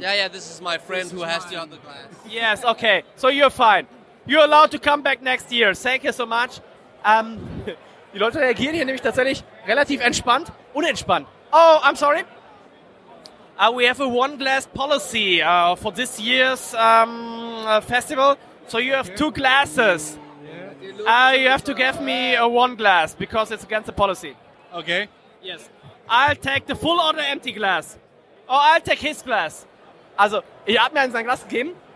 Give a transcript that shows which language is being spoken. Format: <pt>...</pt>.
<en>Yeah, this is my friend who has the other glass. Yes, okay. So you're fine. You're allowed to come back next year. Thank you so much.</en> <de>Die Leute reagieren hier nämlich tatsächlich relativ entspannt, unentspannt.</de> <en>Oh, I'm sorry. We have a one-glass policy for this year's festival. So you have two glasses. You have to give me a one glass because it's against the policy. Okay. Yes. I'll take the full or the empty glass. Oh, I'll take his glass.</en> <de>Also, ich habe mir ein sein Glas gegeben.</de>